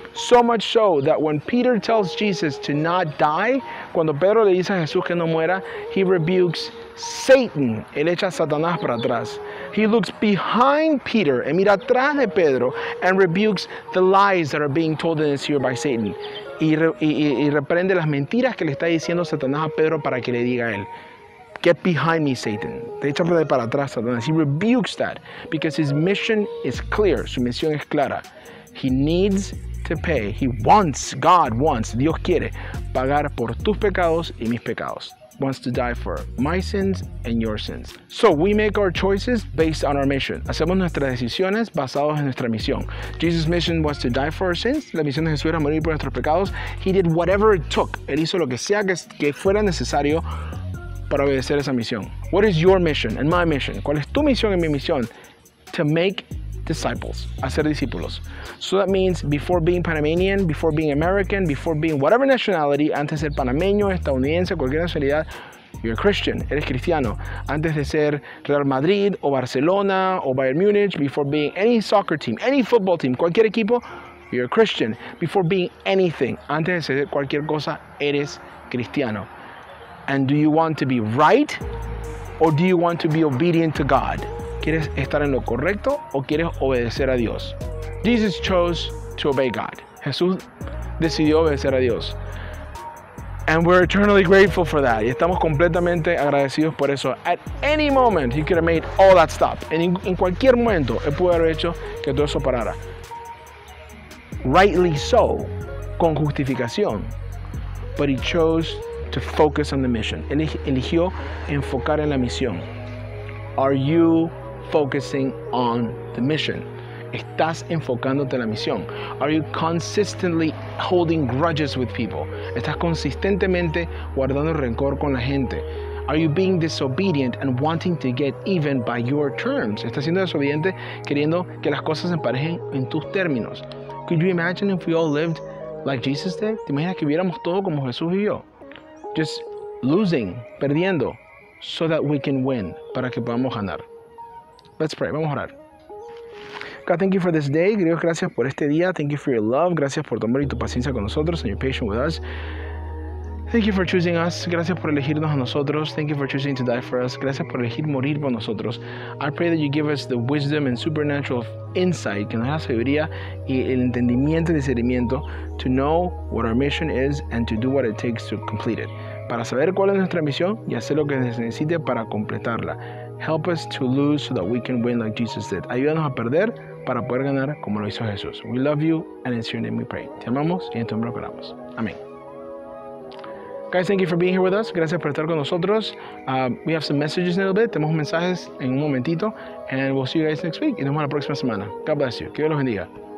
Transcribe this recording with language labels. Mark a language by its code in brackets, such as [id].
[en] So much so that when Peter tells Jesus to not die, [es] cuando Pedro le dice a Jesús que no muera, [en] he rebukes Satan. [es] Él echa a Satanás para atrás. [en] He looks behind Peter [es] y mira atrás de Pedro [en] and rebukes the lies that are being told in his ear by Satan. [es] Y reprende las mentiras que le está diciendo Satanás a Pedro para que le diga a él. [en] Get behind me, Satan. [es] Te echa para atrás, Satanás. [en] He rebukes that because his mission is clear. [es] Su misión es clara. [en] He needs to pay. He wants, God wants, [es] Dios quiere pagar por tus pecados y mis pecados. [en] Wants to die for my sins and your sins. So we make our choices based on our mission. [es] Hacemos nuestras decisiones basadas en nuestra misión. [en] Jesus' mission was to die for our sins. [es] La misión de Jesús era morir por nuestros pecados. [en] He did whatever it took. [es] Él hizo lo que sea que fuera necesario para obedecer esa misión. [en] What is your mission and my mission? [es] ¿Cuál es tu misión y mi misión? [en] To make disciples, [es] hacer discípulos. [en] So that means before being Panamanian, before being American, before being whatever nationality, [es] antes de ser panameño, estadounidense, cualquier nacionalidad, [en] you're a Christian, [es] eres cristiano. Antes de ser Real Madrid o Barcelona o Bayern Munich, [en] before being any soccer team, any football team, [es] cualquier equipo, [en] you're a Christian. Before being anything, [es] antes de ser cualquier cosa, eres cristiano. [en] And do you want to be right or do you want to be obedient to God? [es] ¿Quieres estar en lo correcto o quieres obedecer a Dios? [en] Jesus chose to obey God. [es] Jesús decidió obedecer a Dios. [en] And we're eternally grateful for that. [es] Y estamos completamente agradecidos por eso. [en] At any moment, he could have made all that stop. [es] En cualquier momento, él pudo haber hecho que todo eso parara. [en] Rightly so, [es] con justificación. [en] But he chose to focus on the mission. [es] Él eligió enfocar en la misión. [en] Are you focusing on the mission? [es] ¿Estás enfocándote en la misión? [en] Are you consistently holding grudges with people? [es] ¿Estás consistentemente guardando rencor con la gente? [en] Are you being disobedient and wanting to get even by your terms? [es] ¿Estás siendo desobediente queriendo que las cosas se emparejen en tus términos? [en] Could you imagine if we all lived like Jesus did? [es] ¿Te imaginas que viéramos todo como Jesús vivió? [en] Just losing, [es] perdiendo, [en] so that we can win, [es] para que podamos ganar. [en] Let's pray. [es] Vamos a orar. [en] God, thank you for this day. [es] Dios, gracias por este día. [en] Thank you for your love. [es] Gracias por tu amor y tu paciencia con nosotros [en] and your patience with us. Thank you for choosing us. [es] Gracias por elegirnos a nosotros. [en] Thank you for choosing to die for us. Gracias por elegir morir por nosotros. I pray that you give us the wisdom and supernatural insight, [es] que nos da sabiduría y el entendimiento y discernimiento [en] to know what our mission is and to do what it takes to complete it. [es] Para saber cuál es nuestra misión y hacer lo que se necesite para completarla. [en] Help us to lose so that we can win like Jesus did. [es] Ayúdanos a perder para poder ganar como lo hizo Jesús. [en] We love you and in your name we pray. [es] Te amamos y en tu nombre oramos. Amén. [en] Guys, thank you for being here with us. [es] Gracias por estar con nosotros. [en] We have some messages in a little bit. [es] Tenemos mensajes en un momentito. [en] And we'll see you guys next week. [es] Y nos vemos la próxima semana. [en] God bless you. [es] Que Dios los bendiga.